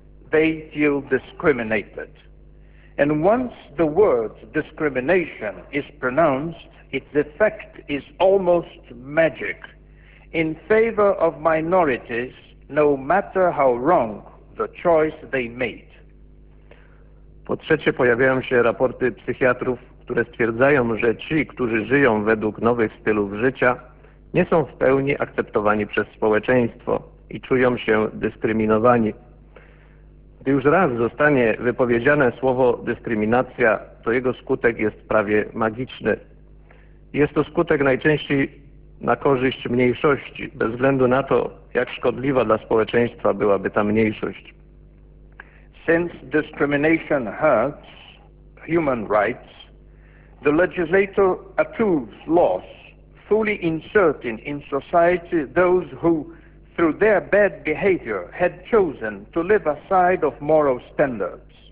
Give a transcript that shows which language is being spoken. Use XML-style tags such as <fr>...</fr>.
<en>They feel discriminated. And once the word discrimination is pronounced, its effect is almost magic. In favor of minorities, no matter how wrong the choice they made.</en> <pl>Po trzecie, pojawiają się raporty psychiatrów, które stwierdzają, że ci, którzy żyją według nowych stylów życia, nie są w pełni akceptowani przez społeczeństwo i czują się dyskryminowani. Gdy już raz zostanie wypowiedziane słowo dyskryminacja, to jego skutek jest prawie magiczny. Jest to skutek najczęściej na korzyść mniejszości, bez względu na to, jak szkodliwa dla społeczeństwa byłaby ta mniejszość.</pl> <en>Since discrimination hurts human rights, the legislator approves laws fully inserting in society those who, through their bad behavior, had chosen to live aside of moral standards.</en>